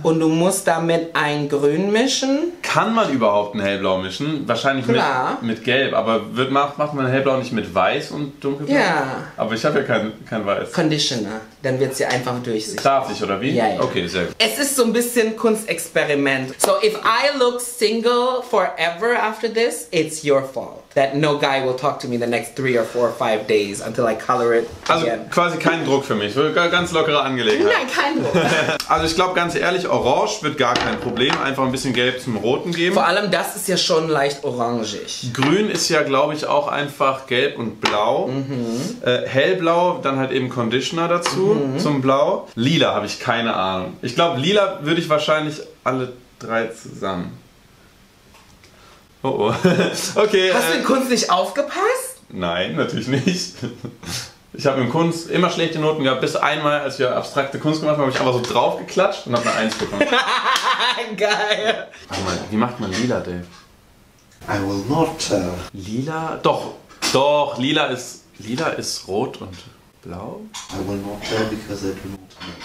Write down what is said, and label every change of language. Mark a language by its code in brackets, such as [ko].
[de] Und du musst damit ein Grün mischen. Kann man überhaupt ein Hellblau mischen? Wahrscheinlich mit Gelb, aber macht man Hellblau nicht mit Weiß und Dunkelblau? Ja. Aber ich habe ja kein Weiß. Conditioner. Dann wird sie einfach durchsichtig. Darf ich, oder wie? Ja, ja. Okay, sehr gut. Es ist so ein bisschen Kunstexperiment. [en] So, if I look single forever after this, it's your fault. That no guy will talk to me the next 3 or 4 or 5 days until I color it again. [de] Also quasi kein Druck für mich. Ganz lockere Angelegenheit. Nein, kein Druck. Also ich glaube, ganz ehrlich, orange wird gar kein Problem. Einfach ein bisschen Gelb zum Roten geben. Vor allem, das ist ja schon leicht orangig. Grün ist ja, glaube ich, auch einfach Gelb und Blau. Mhm. Hellblau, dann halt eben Conditioner dazu zum Blau. Lila habe ich keine Ahnung. Ich glaube, lila würde ich wahrscheinlich alle 3 zusammen. Oh, oh. Okay. Hast du in Kunst nicht aufgepasst? Nein, natürlich nicht. Ich habe in Kunst immer schlechte Noten gehabt, bis einmal, als wir abstrakte Kunst gemacht haben, habe ich einfach so drauf geklatscht und habe eine 1 bekommen. Geil. Warte mal, wie macht man lila, Dave? [en] I will not. [de] Lila? Doch, doch, lila ist rot und blau. [en] I will not tell because I do not know.